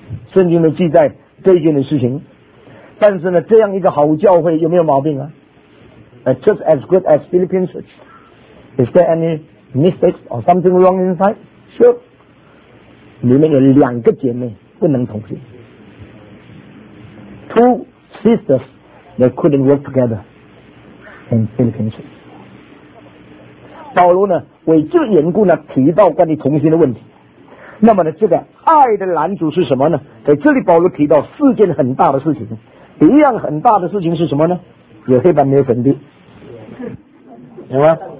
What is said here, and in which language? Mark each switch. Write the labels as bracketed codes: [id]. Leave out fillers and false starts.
[zh] 圣经都记载这一件的事情。但是呢，这样一个好教会有没有毛病啊？ [en] Just as good as Philippine church. Is there any? Mistakes or something wrong inside? Sure. [zh] 里面有两个姐妹不能同心。 [en] Two sisters, they couldn't work together in Philippines. [zh] 保罗呢，为这个缘故呢，提到关于同心的问题。那么呢，这个爱的拦阻是什么呢？在这里保罗提到四件很大的事情。一样很大的事情是什么呢？有黑板没有粉笔。有吗？